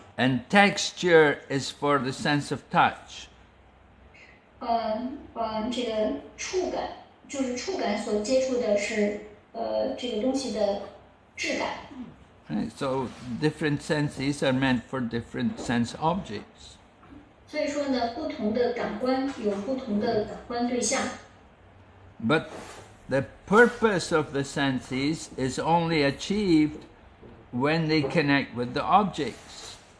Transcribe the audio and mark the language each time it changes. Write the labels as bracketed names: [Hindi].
[English] And texture is for the sense of touch. [Chinese] 这个触感，就是触感所接触的是这个东西的质感。 [English] So different senses are meant for different sense objects. [Chinese] 所以说呢，不同的感官有不同的感官对象。 [English] But the purpose of the senses is only achieved when they connect with the objects.